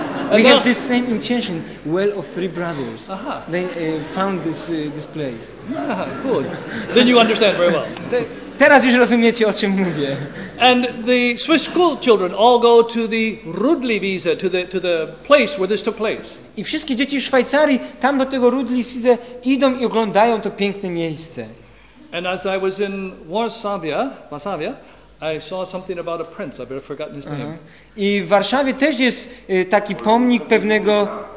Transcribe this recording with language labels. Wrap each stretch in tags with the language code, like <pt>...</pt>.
<en>We have this same intention, well of three brothers. Aha. They found this place. Ah, good. Then you understand very well.</en> <pl>Teraz już rozumiecie, o czym mówię.</pl> <en>And the Swiss school children all go to the Rudliwiese, to the place where this took place.</en> <pl>I wszystkie dzieci w Szwajcarii tam do tego Rudliwiese idą i oglądają to piękne miejsce.</pl> <en>And as I was in Warszawa, I saw something about a prince. I've forgotten his name.</en> <pl>I w Warszawie też jest taki pomnik pewnego.</pl>